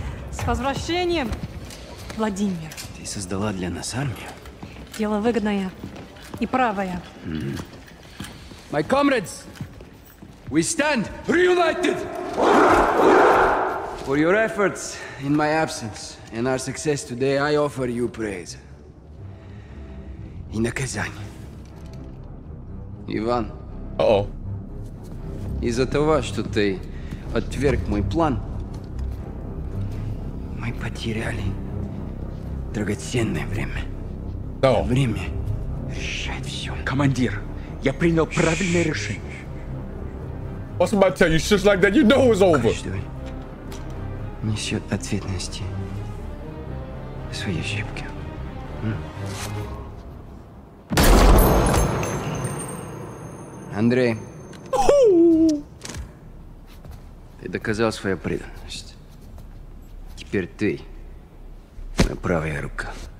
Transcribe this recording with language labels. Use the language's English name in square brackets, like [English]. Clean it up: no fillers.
[Russian] С возвращением, Владимир. Ты создала для нас армию. Дело выгодное и правое. Mm-hmm. [English] My comrades, we stand reunited for your efforts in my absence and our success today. I offer you praise. [Russian] И наказание. [English] Иван. Uh-oh. [Russian] Из-за того, что ты отверг мой план. Мы потеряли драгоценное время. Да. Время решает все. Командир, я принял правильное решение. [English] What somebody tell you shit like that, you know it's over. [Russian] Каждый несет ответственности за свои ошибки. Андрей. Ты доказал свою преданность. Теперь ты, моя правая рука.